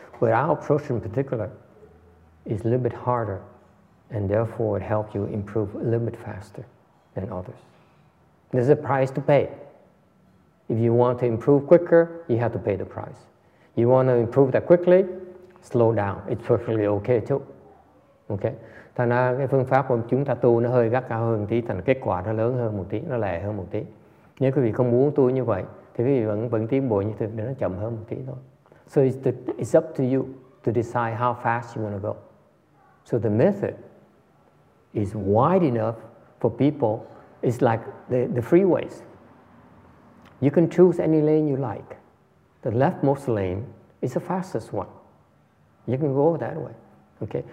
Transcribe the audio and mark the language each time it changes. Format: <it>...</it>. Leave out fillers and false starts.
<en>But our approach in particular is a little bit harder, and therefore it helps you improve a little bit faster than others. There's a price to pay. If you want to improve quicker, you have to pay the price. You want to improve that quickly, slow down. It's perfectly okay too. Okay?</en> <vi>Thành ra cái phương pháp của chúng ta tu nó hơi gắt cao hơn một tí, thành kết quả nó lớn hơn một tí, nó lẹ hơn một tí. Nếu quý vị không muốn tu như vậy, thì quý vị vẫn tiến bộ như thế, nó chậm hơn một tí thôi.</vi> <en>So it's up to you to decide how fast you want to go. So the method is wide enough for people. It's like the freeways. You can choose any lane you like. The leftmost lane is the fastest one. You can go that way. Okay.</en>